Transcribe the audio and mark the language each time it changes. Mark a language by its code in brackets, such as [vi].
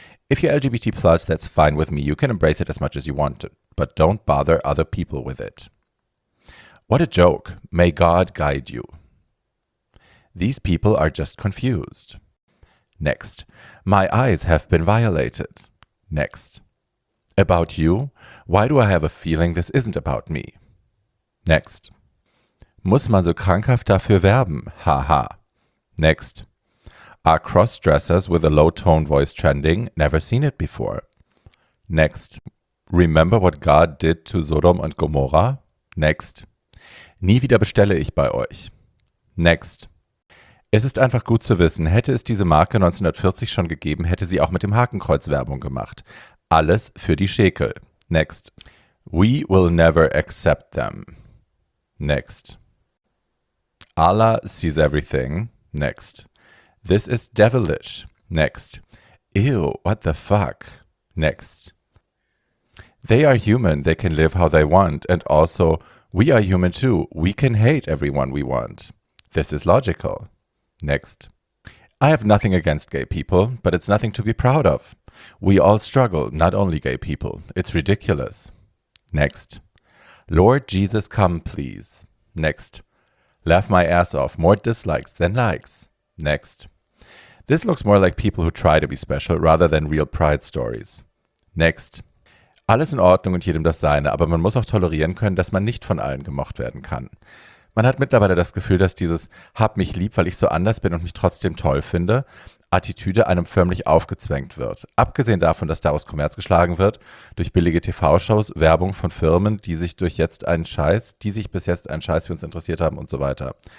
[en] If you're LGBT+, that's fine with me. You can embrace it as much as you want, but don't bother other people with it. What a joke. May God guide you. These people are just confused. Next. My eyes have been violated. Next. About you? Why do I have a feeling this isn't about me? Next. [de] Muss man so krankhaft dafür werben? [en] Haha. Next. Are cross-dressers with a low-toned voice trending? Never seen it before. Next. Remember what God did to Sodom and Gomorrah? Next. [de] Nie wieder bestelle ich bei euch. [en] Next. [de] Es ist einfach gut zu wissen, hätte es diese Marke 1940 schon gegeben, hätte sie auch mit dem Hakenkreuz Werbung gemacht. Alles für die Schäkel. [en] Next. We will never accept them. Next. Allah sees everything. Next. This is devilish. Next. Ew, what the fuck? Next. They are human. They can live how they want. And also, We are human too. We can hate everyone we want. This is logical. Next. I have nothing against gay people, but it's nothing to be proud of. We all struggle, not only gay people. It's ridiculous. Next. Lord Jesus, come, please. Next. Laugh my ass off. More dislikes than likes. Next. This looks more like people who try to be special rather than real pride stories. Next. [de] Alles in Ordnung und jedem das Seine, aber man muss auch tolerieren können, dass man nicht von allen gemocht werden kann. Man hat mittlerweile das Gefühl, dass dieses "hab mich lieb, weil ich so anders bin und mich trotzdem toll finde" Attitüde einem förmlich aufgezwängt wird. Abgesehen davon, dass daraus Kommerz geschlagen wird, durch billige TV-Shows, Werbung von Firmen, die sich bis jetzt einen Scheiß für uns interessiert haben und so weiter.